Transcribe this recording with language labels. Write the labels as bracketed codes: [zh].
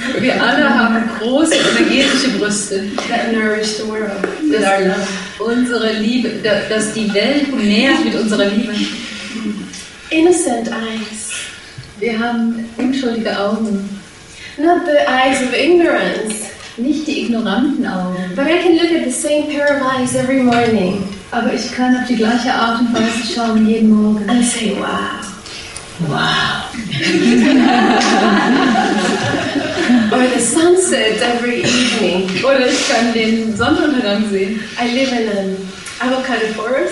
[de] Wir alle haben große energetische Brüste. [en] That nourish the world. [de] Das [en] our love. [de] Unsere Liebe, dass die Welt nährt mit unserer Liebe. [en] Innocent eyes. [de] Wir haben unschuldige Augen. [en] Not the eyes of ignorance. [de] Nicht die ignoranten Augen. [en] But I can look at the same pair of eyes every morning. [de] Aber ich kann auf die gleiche Art und Weise schauen jeden Morgen. [en] And I say, wow. Wow. Or the sunset every evening. [de] Oder ich kann den Sonnenuntergang sehen. [en] I live in an avocado forest.